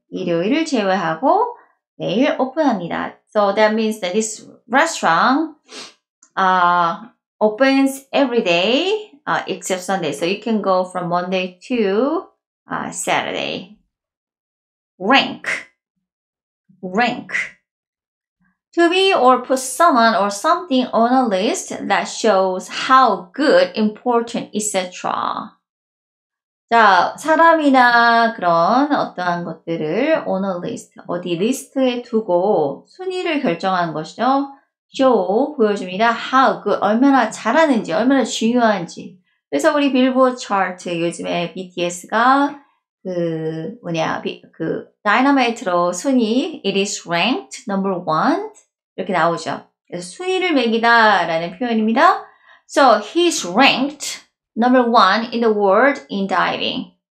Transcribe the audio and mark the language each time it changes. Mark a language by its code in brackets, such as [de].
[ko] 일요일을 제외하고 매일 오픈합니다. [en] So that means that this restaurant opens every day except Sunday. So you can go from Monday to Saturday. Rank. To be or put someone or something on a list that shows how good, important, etc. [ko] 자, 사람이나 그런 어떠한 것들을 [en] on a list, [ko] 어디 리스트에 두고 순위를 결정하는 것이죠. Show, 보여줍니다. [en] How good, [ko] 얼마나 잘하는지, 얼마나 중요한지. 그래서 우리 빌보드 차트, 요즘에 BTS가 그 다이너마이트로 순위, [en] it is ranked number one, [ko] 이렇게 나오죠. 그래서 순위를 매기다 라는 표현입니다. [en] So, he's ranked number one in the world in diving.